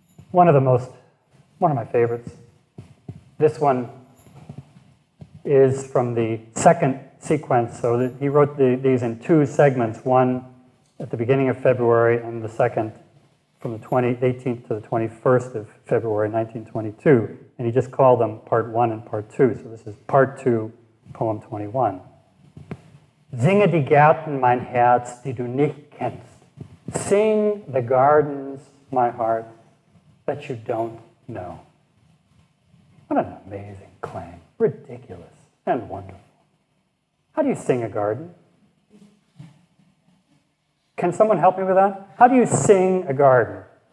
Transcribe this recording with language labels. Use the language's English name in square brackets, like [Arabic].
[English] One of my favorites. This one is from the second sequence. So he wrote these in two segments, one at the beginning of February and the second from the 18th to the 21st of February, 1922. And he just called them part one and part two. So this is part two, poem 21. [German] Singe die Gärten, mein Herz, die du nicht kennst. [English] Sing the gardens, my heart, that you don't know. What an amazing claim. Ridiculous and wonderful. How do you sing a garden? Can someone help me with that? How do you sing a garden?